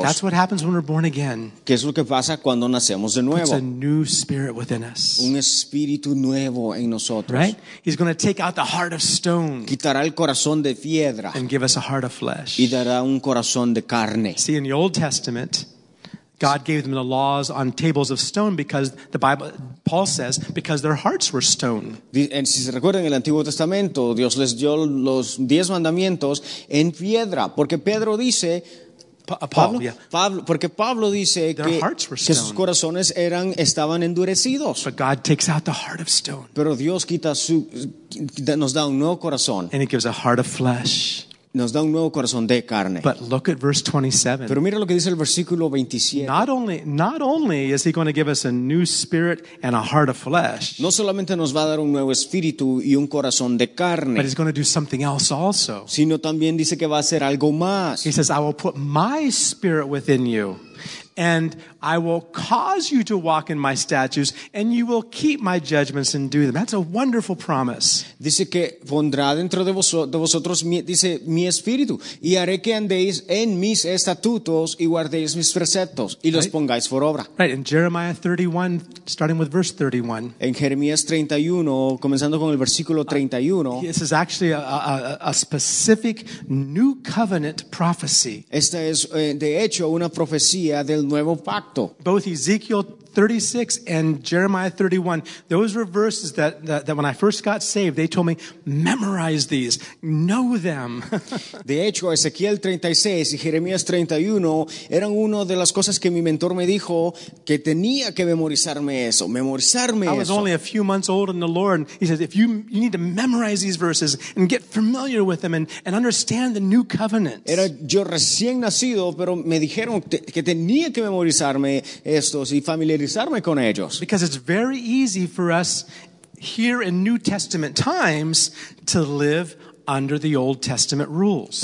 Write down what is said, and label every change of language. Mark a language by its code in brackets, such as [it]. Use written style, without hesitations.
[en] That's what happens when we're born again. [es] ¿Qué es lo que pasa cuando nacemos de nuevo? [en] Puts a new spirit within us. [es] Un espíritu nuevo en nosotros. [en] Right? He's going to take out the heart of stone. [es] Quitará el corazón de piedra. [en] And give us a heart of flesh. [es] Y dará un corazón de carne. [en] See, in the Old Testament, God gave them the laws on tables of stone because the Bible, Paul says, because their hearts were stone. [es] And si se recuerdan el Antiguo Testamento, Dios les dio los 10 mandamientos en piedra, porque Pedro dice, Pablo, porque Pablo dice que sus corazones estaban endurecidos. [en] But God takes out the heart of stone. [es] Pero Dios quita su, nos da un nuevo corazón. [en] And he gives a heart of flesh. [es] Nos da un nuevo corazón de carne. [en] But look at verse 27. [es] Pero mira lo que dice el versículo 27. [en] Not only is he going to give us a new spirit and a heart of flesh. [es] No solamente nos va a dar un nuevo espíritu y un corazón de carne. [en] But he's going to do something else also. [es] Sino también dice que va a hacer algo más. [en] He says, I will put my spirit within you. And I will cause you to walk in my statutes, and you will keep my judgments and do them. That's a wonderful promise. [es] Dice que pondrá dentro de vosotros, dice, mi espíritu, y haré que andéis en mis estatutos y guardéis mis preceptos, y los pongáis por obra. [en] Right, in Jeremiah 31, starting with verse 31. [es] En Jeremías 31, comenzando con el versículo 31. [en] This is actually a specific new covenant prophecy. [es] Esta es, de hecho, una profecía del nuevo pacto. [en] Both Ezekiel 36 and Jeremiah 31, those were verses that when I first got saved, they told me, memorize these, know them. [es] De hecho, Ezequiel 36 y Jeremías 31 eran una de las cosas que mi mentor me dijo que tenía que memorizarme eso. [en] I was only a few months old in the Lord, and he says, if you need to memorize these verses and get familiar with them and understand the new covenant. [es] Era yo recién nacido, pero me dijeron que tenía que memorizarme estos y familiar. [en] Because it's very easy for us here in New Testament times to live under the Old Testament rules.